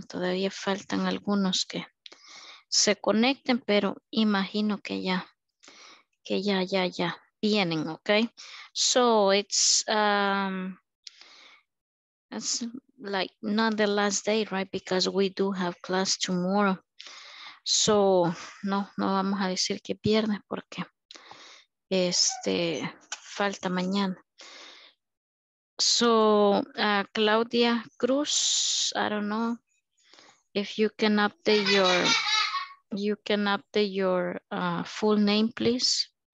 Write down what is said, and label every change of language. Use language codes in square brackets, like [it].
[es] Todavía faltan algunos que se conecten, pero imagino que ya vienen, okay? [en] So, it's that's like not the last day, right? Because we do have class tomorrow. [es] So, no vamos a decir que viernes porque falta mañana. [en] So, Claudia Cruz, I don't know if you can update your full name, please.